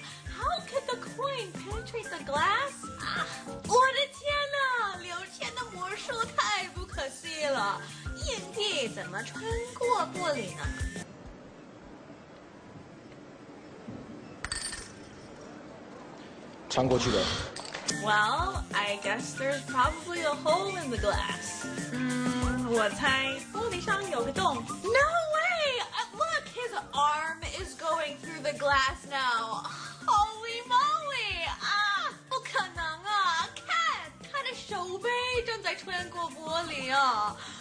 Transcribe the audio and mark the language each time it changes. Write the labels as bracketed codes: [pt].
[en] How could the coin penetrate the glass? [zh] 我的天哪，刘谦的魔术太不可思议了，硬币怎么穿过玻璃呢？穿过去的。 [en] Well, I guess there's probably a hole in the glass. [zh] 我猜玻璃上有个洞。 [en] No way! Look, his arm is going through the glass now. Holy moly! [zh] 不可能啊！看，他的手背正在穿过玻璃啊！